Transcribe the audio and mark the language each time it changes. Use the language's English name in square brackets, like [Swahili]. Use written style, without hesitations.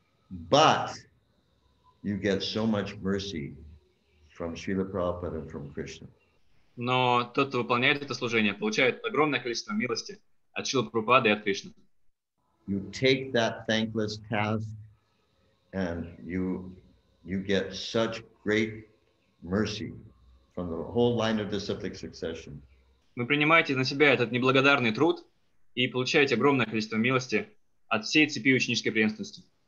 [English] But you get so much mercy from Srila Prabhupada and from Krishna. [Russian] Но тот, кто выполняет это служение, получает огромное количество милости от Шрилы Прабхупады и от Кришны. [English] You take that thankless task and you get such great mercy from the whole line of disciplic succession. [Russian] Вы принимаете на себя этот неблагодарный труд и получаете огромное количество милости от всей цепи ученической преемственности.